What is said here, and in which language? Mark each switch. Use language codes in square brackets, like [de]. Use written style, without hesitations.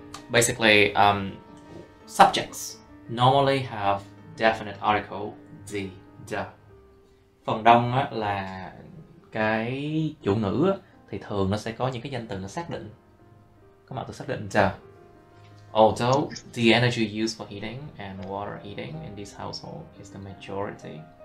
[en] Basically, subjects normally have definite article D, the. [vi] Phần đông á, là cái chủ ngữ á, thì thường nó sẽ có những cái danh từ nó xác định. Các bạn tự xác định chưa? [en] Although the energy used for heating and water heating in this household is the majority.